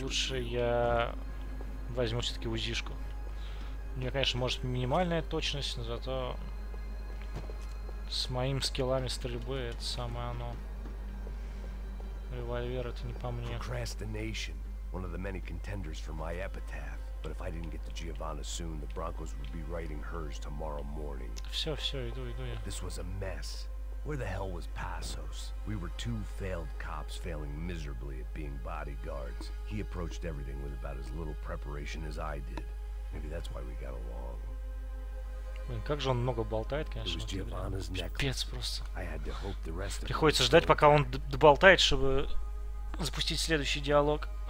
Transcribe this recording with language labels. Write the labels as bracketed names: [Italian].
[Russian] Лучше я возьму все-таки УЗИшку. У меня, конечно, может минимальная точность, но зато с моим скиллами стрельбы это самое оно. Револьвер это не по мне. [English] Procrastination, one of the many contenders for my epitaph. But if I didn't get to Giovanna soon, the Broncos would be writing hers tomorrow morning. [Russian] Все, все, иду, иду я. [English] This was a mess. Where the hell was Passos? We were two failed cops failing miserably at being bodyguards. He approached everything with about as little preparation as I did. Maybe that's why we got along. [Russian] Блин, как же он много болтает, конечно. Пипец просто. Приходится ждать, пока он доболтает, чтобы запустить следующий диалог.